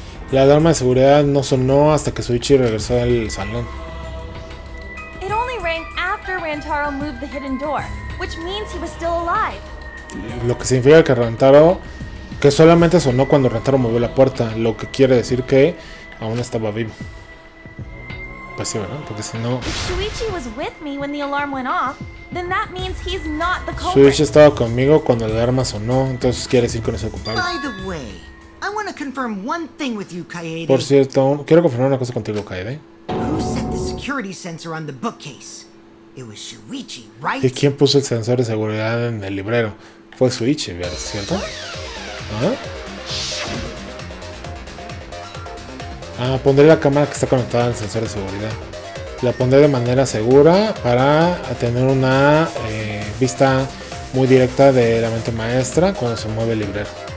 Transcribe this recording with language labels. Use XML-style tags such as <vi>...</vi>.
<es>La alarma de seguridad no sonó hasta que Shuichi regresó al salón.</es> <en>It only rang after Rantaro moved the hidden door, which means he was still alive.</en> <es>Lo que significa que Rantaro, que solamente sonó cuando Rantaro movió la puerta, lo que quiere decir que aún estaba vivo. Pues sí, ¿verdad? Porque si no.</es> <en>If Shuichi was with me when the alarm went off, then that means he's not the culprit.</en> <es>Shuichi estaba conmigo cuando la alarma sonó, entonces quiere decir que no es el culpable.</es> <en>By the way, I want to confirm one thing with you, Kaede.</en> <es>Por cierto, quiero confirmar una cosa contigo, Kaede.</es> <en>Who set the security sensor on the bookcase? It was Shuichi, right?</en> <es>¿Y quién puso el sensor de seguridad en el librero? Fue Shuichi, ¿verdad? ¿Cierto? ¿Ah? Ah, pondré la cámara que está conectada al sensor de seguridad. La pondré de manera segura para tener una vista muy directa de la mente maestra cuando se mueve el librero.</es>